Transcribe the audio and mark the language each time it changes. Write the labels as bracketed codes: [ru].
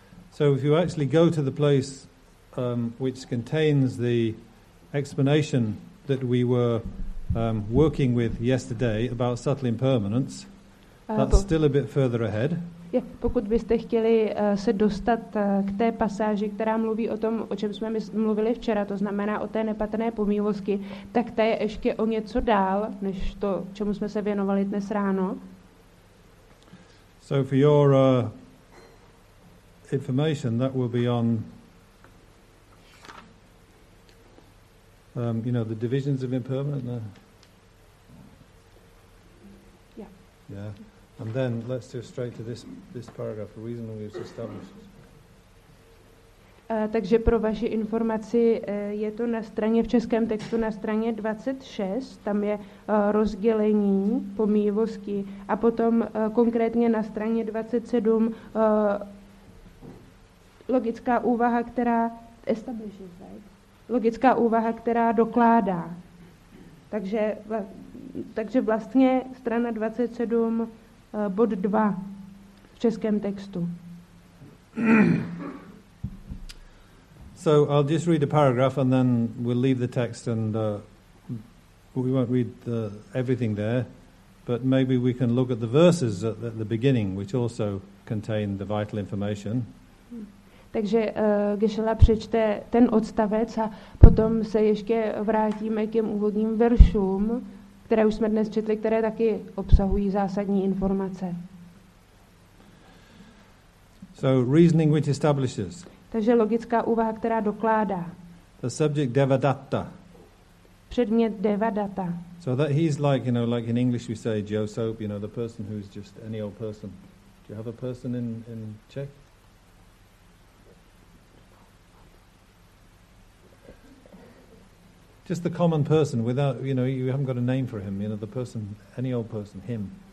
[en] So if you actually go to the place which contains the explanation that we were working with yesterday about subtle impermanence, that's still a bit further ahead. [cs] Pokud byste chtěli se dostat k té pasáži, která mluví o tom, o čem jsme mluvili včera, to znamená o té nepatrné pomývosti, tak ta je ještě o něco dál, než to, čemu jsme se věnovali dnes ráno. [en] So for your information, that will be on the divisions of impermanence. Yeah. And then let's go straight to this paragraph, the reason we've established. [cs] Takže pro vaši informaci je to na straně v českém textu na straně 26, tam je rozdělení pomývosti a potom konkrétně na straně 27 logická úvaha, která [en] establishes, right? [cs] Logická úvaha, která dokládá. Takže vlastně strana 27 bod 2 v českém textu. [en] So I'll just read a paragraph and then we'll leave the text and we won't read everything there, but maybe we can look at the verses at the beginning, which also contain the vital information. [cs] Takže Geshe-la přečte ten odstavec a potom se ještě vrátíme k těm úvodním veršům, které už jsme dnes četli, které taky obsahují zásadní informace. [en] So reasoning which establishes. [cs] Takže logická úvaha, která dokládá. [en] The subject Devadatta. [cs] Předmět Devadatta. [en] So that he's like, like in English we say Joe Soap, the person who's just any old person. Do you have a person in Czech? Just the common person without, you haven't got a name for him, the person, any old person, him.